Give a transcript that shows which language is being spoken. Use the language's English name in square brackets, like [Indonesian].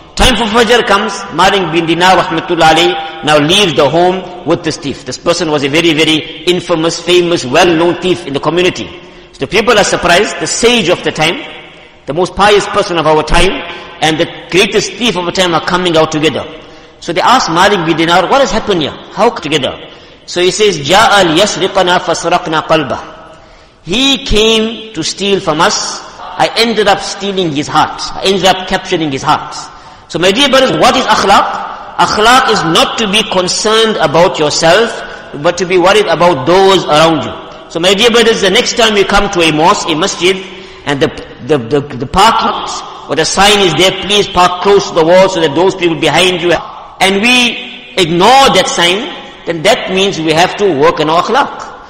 [English] Time for Fajr comes, Malik bin Dinar rahmatullah alayhi now leaves the home with this thief. This person was a very, very infamous, famous, well-known thief in the community. So people are surprised, the sage of the time, the most pious person of our time, and the greatest thief of our time are coming out together. So they ask Malik bin Dinar, what has happened here? How together? So he says, [Arabic] جَاءَ لِيَسْرِقَنَا فَسْرَقْنَا قَلْبَهُ. [English] He came to steal from us, I ended up stealing his heart, I ended up capturing his heart. So my dear brothers, what is akhlaq? Akhlaq is not to be concerned about yourself, but to be worried about those around you. So my dear brothers, the next time you come to a mosque, a masjid, and the parking or the sign is there, please park close to the wall so that those people behind you, and we ignore that sign, then that means we have to work on our akhlaq.